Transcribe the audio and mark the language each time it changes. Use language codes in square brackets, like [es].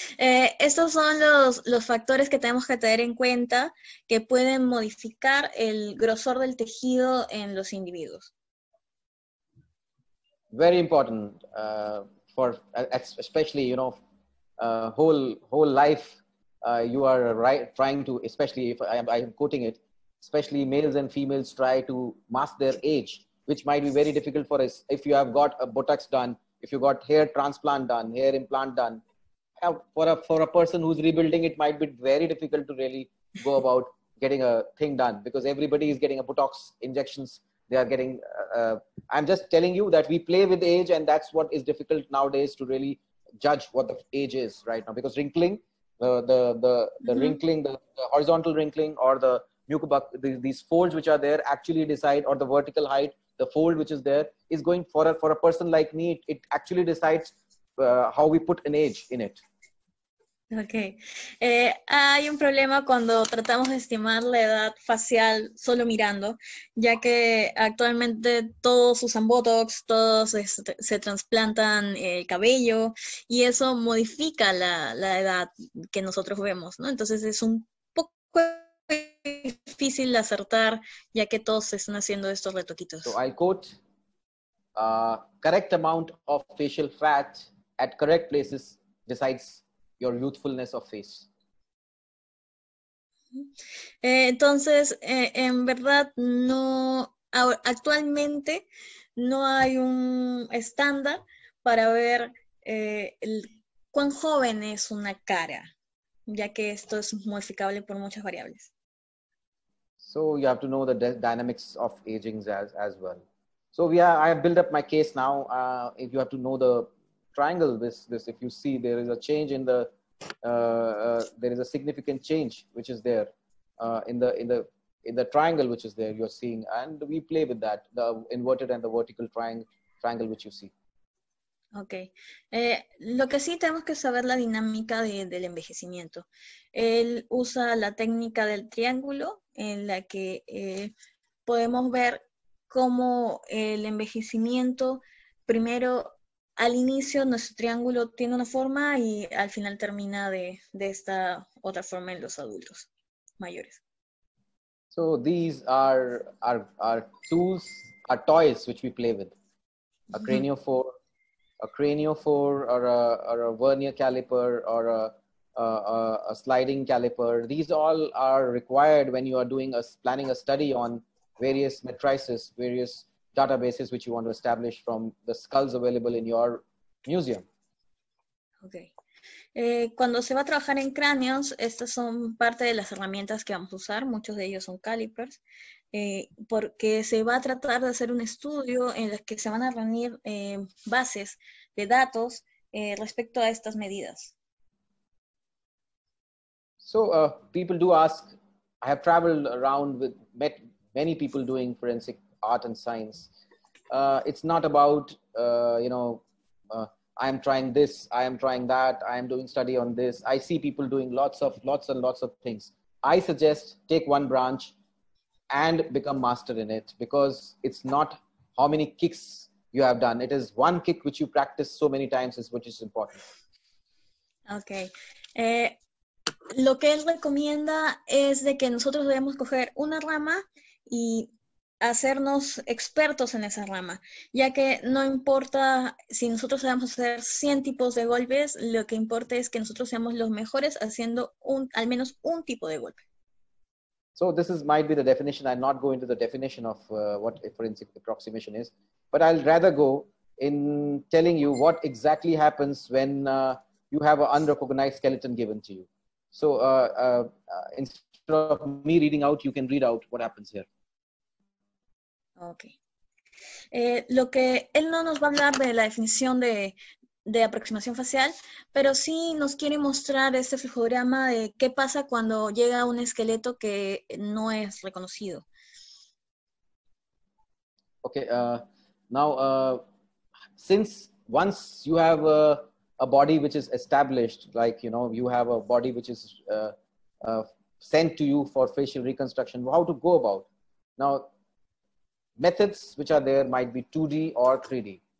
[es] Estos son los factores que tenemos que tener en cuenta que pueden modificar el grosor del tejido en los individuos. [en] Very important for especially, you know, whole life. You are right, trying to, especially if I'm quoting it, especially males and females try to mask their age, which might be very difficult for us. If you have got a Botox done, if you got hair transplant done, hair implant done, for a person who's rebuilding, it might be very difficult to really go about getting a thing done because everybody is getting a Botox injections. They are getting, I'm just telling you that we play with age and that's what is difficult nowadays to really judge what the age is right now because wrinkling, the horizontal wrinkling or the mucobuck, these folds which are there actually decide, or the vertical height, the fold which is there is going for a person like me, it actually decides how we put an age in it. Okay. [es] Hay un problema cuando tratamos de estimar la edad facial solo mirando, ya que actualmente todos usan Botox, todos se trasplantan el cabello y eso modifica la edad que nosotros vemos, ¿no? Entonces es un poco difícil de acertar ya que todos están haciendo estos retoquitos. [en] So I quote, correct amount of facial fat at correct places decides your youthfulness of face. [es] Entonces, en verdad, no, actualmente no hay un estándar para ver cuán joven es una cara, ya que esto es modificable por muchas variables. [en] So you have to know the dynamics of aging as well. So yeah, I have built up my case now. If you have to know the triangle, this if you see there is a change in the there is a significant change which is there in the triangle which is there you're seeing, and we play with that, the inverted and the vertical triangle which you see. Okay. [es] Lo que sí tenemos que saber la dinámica del envejecimiento. Él usa la técnica del triángulo en la que podemos ver cómo el envejecimiento primero. Al inicio nuestro triángulo tiene una forma y al final termina de esta otra forma en los adultos mayores. [en] So these are tools, are toys which we play with. A craniophore, or a vernier caliper, or a sliding caliper. These all are required when you are doing planning a study on various matrices, various databases which you want to establish from the skulls available in your museum. Okay. [es] Cuando se va a trabajar en cráneos, estas son parte de las herramientas que vamos a usar. Muchos de ellos son calipers. Porque se va a tratar de hacer un estudio en el que se van a reunir bases de datos respecto a estas medidas. [en] So, people do ask, I have traveled around with met many people doing forensic art and science. It's not about, I am trying this, I am trying that, I am doing study on this. I see people doing lots and lots of things. I suggest take one branch and become master in it, because it's not how many kicks you have done. It is one kick which you practice so many times is which is important. Okay. [es] Lo que él recomienda es de que nosotros debemos coger una rama y hacernos expertos en esa rama, ya que no importa si nosotros sabemos hacer 100 tipos de golpes, lo que importa es que nosotros seamos los mejores haciendo al menos un tipo de golpe. [en] So this is might be the definition. I'm not going to the definition of what a forensic approximation is, but I'll rather go in telling you what exactly happens when you have an unrecognized skeleton given to you. So instead of me reading out, you can read out what happens here. Okay. [es] Lo que él no nos va a hablar de la definición de aproximación facial, pero sí nos quiere mostrar este flujograma de qué pasa cuando llega un esqueleto que no es reconocido. [en] Okay, now, since once you have a body which is established, like, you know, you have a body which is sent to you for facial reconstruction, how to go about? Now, methods which are there might be 2D or 3D.